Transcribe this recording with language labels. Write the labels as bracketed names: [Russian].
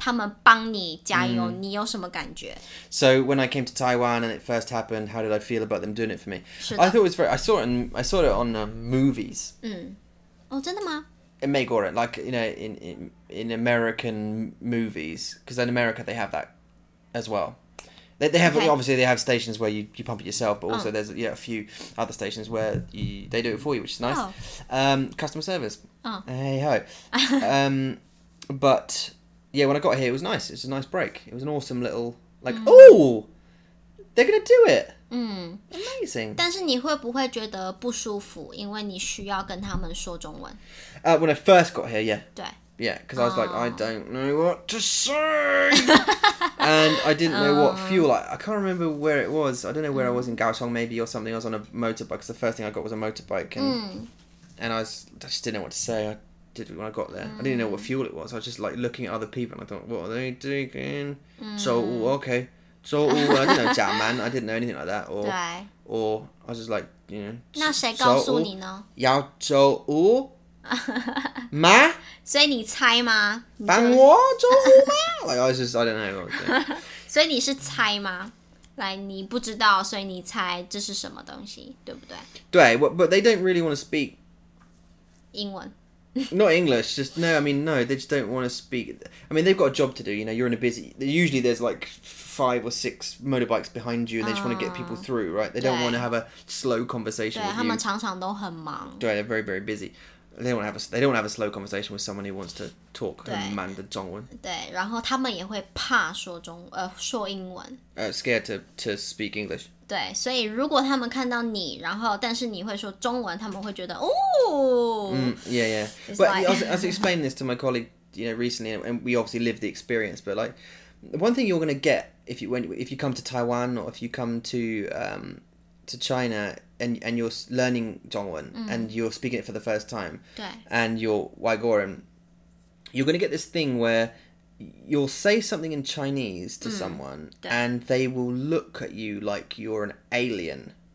[Chinese] 所以你第一次，你觉得你第一次来台湾，然后他们帮你加油，你有什么感觉？ [English] So when I came to Taiwan and it first happened, how did I feel about them doing it for me? [Chinese] 是的。 [English] I thought it was very. I saw it on movies. [Chinese] 嗯，哦，真的吗？ [English] In Megora, like, you know, in American movies, because in America they have that as well. They have, obviously they have stations where you pump it yourself, but also there's a few other stations where they do it for you, which is nice. Customer service. Hey ho. But yeah, when I got here, it was nice. It was a nice break. It was an awesome little, like, they're going to do it. Amazing. [Chinese] 但是你会不会觉得不舒服, 因为你需要跟他们说中文? [English] When I first got here, yeah. [Chinese] 对。 [English] Yeah, because I was like, I don't know what to say. And I didn't know what fuel, I can't remember where it was. I don't know where I was in Kaohsiung maybe or something. I was on a motorbike, because the first thing I got was a motorbike. And I just didn't know what to say. I did when I got there. I didn't know what fuel it was. I was just like looking at other people and I thought, what are they doing? So, okay. So, I didn't know German. I didn't know anything like that. Or, I was just like, you know. [Chinese] 那谁告诉你呢? 要走五?吗? 所以你猜吗? 帮我走五吗? [English] Like, I was just, I don't know. [Chinese] 所以你是猜吗? [English] Like, [Chinese] 你不知道, 所以你猜这是什么东西, 对不对? 对, [English] but they don't really want to speak. [Chinese] 英文。 [English] Not English, just no, I mean, no, they just don't want to speak. I mean, they've got a job to do, you know, you're in a busy. Usually there's like five or six motorbikes behind you and they just want to get people through, right? They don't want to have a slow conversation with you. [Chinese] 他们常常都很忙. [English] Right, they're very, very busy. They don't want to have a slow conversation with someone who wants to talk and man the 中文. [Chinese] 对，然后他们也会怕说英文. [English] Scared to speak English. [Chinese] 对，所以如果他们看到你，然后但是你会说中文， 他们会觉得, [English] yeah, yeah. But I was explaining this to my colleague, you know, recently, and we obviously lived the experience. But like, one thing you're going to get if you come to Taiwan or if you come to China and you're learning 中文 and you're speaking it for the first time, and you're 外国人, you're going to get this thing where you'll say something in Chinese to someone and they will look at you like you're an alien.